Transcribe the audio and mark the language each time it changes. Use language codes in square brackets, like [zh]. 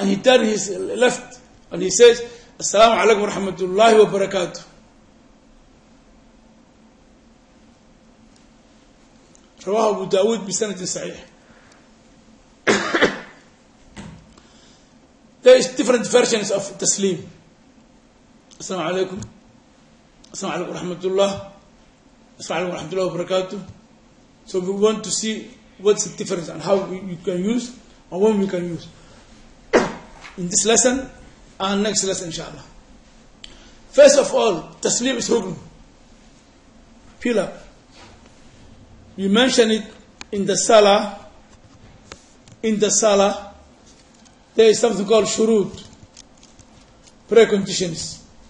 [en] And he turned his left and he says [ar] as-salamu alaykum wa rahmatullahi wa barakatuh. رواه أبو داود بسنة صحيح. There is different versions of تسليم. السلام عليكم. السلام عليكم ورحمة الله. السلام عليكم ورحمة الله وبركاته. [en] So we want to see what's the difference and how you can use and when we can use in this lesson and next lesson inshallah. First of all, تسليم is ركن. Pillar. We mention it in the salah. In the salah, there is something called shurut, preconditions.